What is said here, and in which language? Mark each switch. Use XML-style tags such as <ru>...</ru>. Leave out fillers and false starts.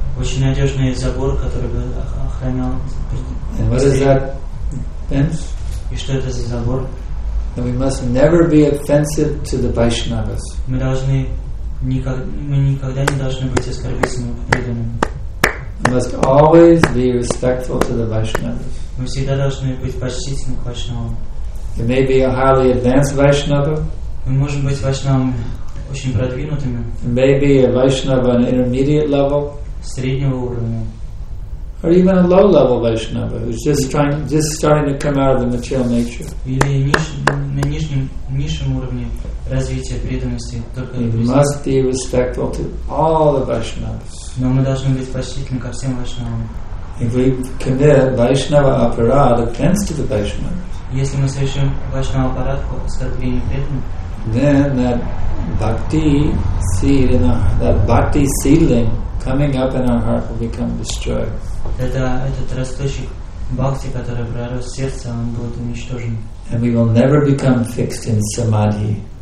<ru>Очень надежный забор, который бы охранял.</ru> <en>And what is that fence?</en> <ru>И что это за забор?</ru> <en>And we must never be offensive to the Vaishnavas.</en> <ru>Мы никогда не должны быть оскорбительными к преданным.</ru> <en>We must always be respectful to the Vaishnavas.</en> <ru>Мы всегда должны быть почтительны к Вайшнавам.</ru> <en>We may be a highly advanced Vaishnava.</en> <ru>Мы можем быть Вайшнавами очень продвинутыми.</ru> <en>Maybe a Vaishnava on an intermediate level.</en> <ru>Среднего уровня.</ru> <en>Or even a low-level Vaishnava who's just starting to come out of the material nature.</en> <ru>Или на низшем уровне развития преданности только.</ru> <en>We must be respectful to all the Vaishnavas.</en> <ru>Но мы должны быть почтительны ко всем Вайшнавам.</ru> <en>If we commit Vaishnava aparad offense to the Vaishnavas,</en> <ru>если мы совершим Вайшнава аппарат по оскорблению преданным,</ru> <en>then that bhakti seed in our, that bhakti seedling coming up in our heart will become destroyed.</en> <ru>Этот росточек бхакти, который пророс в сердце, он будет уничтожен.</ru> <en>And we will never become fixed in samadhi.</en>